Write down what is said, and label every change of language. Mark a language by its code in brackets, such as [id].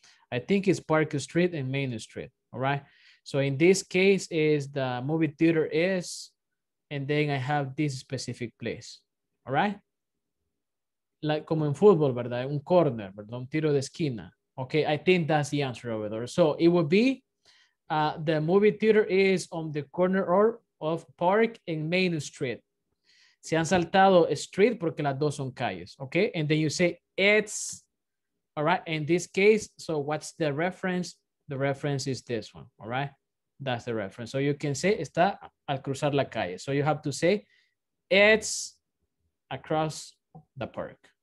[en] I think it's Park Street and Main Street. All right. So in this case, is the movie theater is, and then I have this specific place. All right. Like [es] como en fútbol, ¿verdad? Un corner, ¿verdad? Un tiro de esquina. [en] Okay, I think that's the answer over there. So it would be the movie theater is on the corner of Park and Main Street. [es] Se han saltado street porque las dos son calles. [en] Okay, and then you say it's, all right, in this case, so what's the reference? The reference is this one, all right? That's the reference. So you can say [es] está al cruzar la calle. [en] So you have to say it's across the park.